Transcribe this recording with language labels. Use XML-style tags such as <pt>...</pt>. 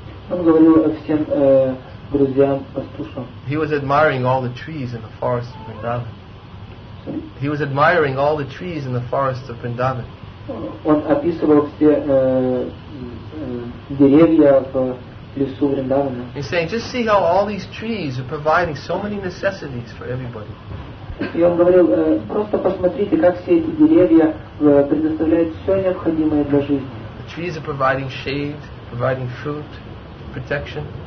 <ru>Он говорил всем друзьям, пастушам.</ru> <en>He was admiring all the trees in the forest of Vrindavan. He was admiring all the trees in the forest of Vrindavan.</en> <ru>Он описывал все деревья в лесу Вриндавана.</ru> <en>He's saying, just see how all these trees are providing so many necessities for everybody.</en> <ru>И он говорил, просто посмотрите, как все эти деревья предоставляют все необходимое для жизни.</ru> <en>The trees are providing shade, providing fruit, protection.</en>